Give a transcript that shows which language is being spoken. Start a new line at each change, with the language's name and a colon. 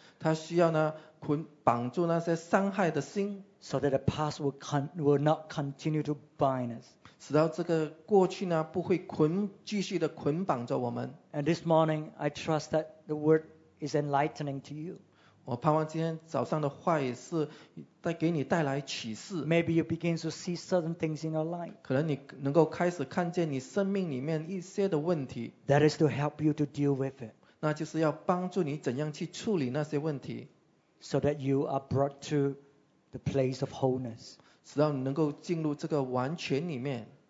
Chinese: 他需要呢捆绑住那些伤害的心。
English: So that the past will not continue to bind us.
Chinese: 使到这个过去呢不会继续的捆绑着我们。
English: And this morning, I trust that the word is enlightening to you.
Chinese: 我盼望今天早上的话也是带给你带来启示。
English: Maybe you begin to see certain things in your life.
Chinese: 可能你能够开始看见你生命里面一些的问题。
English: That is to help you to deal with it.
Chinese: 那就是要帮助你怎样去处理那些问题。
English: So that you are brought to the place of wholeness.
Chinese: 使到你能够进入这个完全里面。